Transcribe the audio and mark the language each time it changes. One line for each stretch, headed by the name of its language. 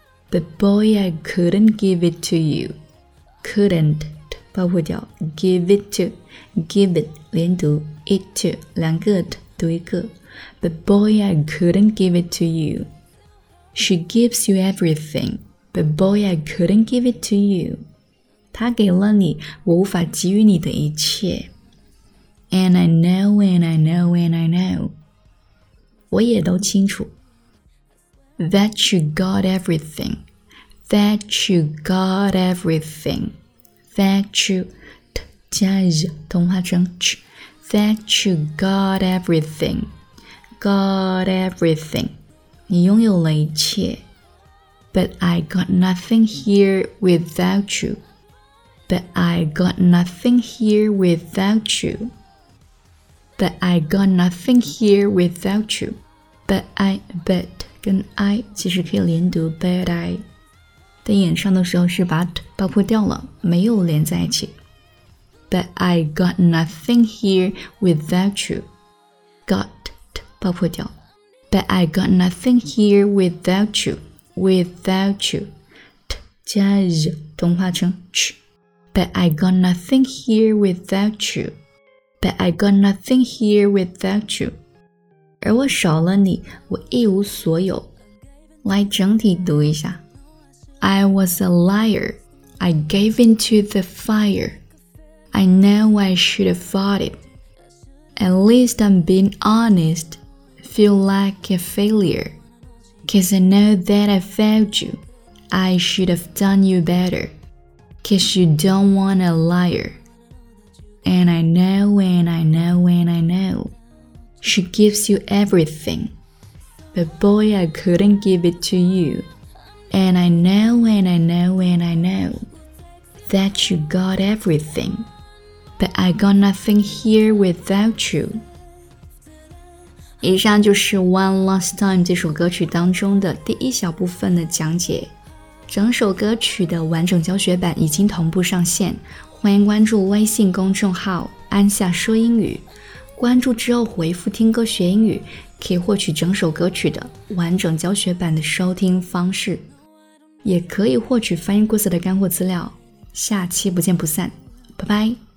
English: But boy, I couldn't give it to you. Couldn't,
Chinese: 包括叫
English: give it to, give it,
Chinese: 连读
English: it to,
Chinese: 两个
English: t,
Chinese: 读一个。
English: But boy, I couldn't give it to you. She gives you everything. But boy, I couldn't give it to you.
Chinese: 他给了你，我无法给予你的一切。
English: And I know, and I know, and I know.
Chinese: 我也都清楚。
English: That you got everything. That you got everything. That you, t,
Chinese: 加
English: z,
Chinese: 同化成
English: ch. That you got everything. Got everything.
Chinese: 你拥有了一切。
English: But I got nothing here without you. But I got nothing here without you. But I got nothing here without you. But I, but,
Chinese: 跟
English: I
Chinese: 其实可以连读
English: but I.
Chinese: 在演唱的时候是把 t 包括掉了，没有连在一起。
English: But I got nothing here without you. Got t
Chinese: 包括掉。
English: But I got nothing here without you. Without you. T
Chinese: 加
English: z
Chinese: 同化成
English: ch. But I got nothing here without you. But I got nothing here without you.
Chinese: 而我少了你，我一无所有。来整体读一下。
English: I was a liar. I gave in to the fire. I know I should have fought it. At least I'm being honest. Feel like a failure. Cause I know that I failed you. I should have done you better. Cause you don't want a liar. And I know, and I know, and I know. She gives you everything. But boy, I couldn't give it to you. And I know, and I know, and I know. That you got everything. But I got nothing here without you.
Chinese: 以上就是 One Last Time 这首歌曲当中的第一小部分的讲解。整首歌曲的完整教学版已经同步上线，欢迎关注微信公众号安夏说英语，关注之后回复听歌学英语，可以获取整首歌曲的完整教学版的收听方式，也可以获取翻译故事的干货资料。下期不见不散，拜拜。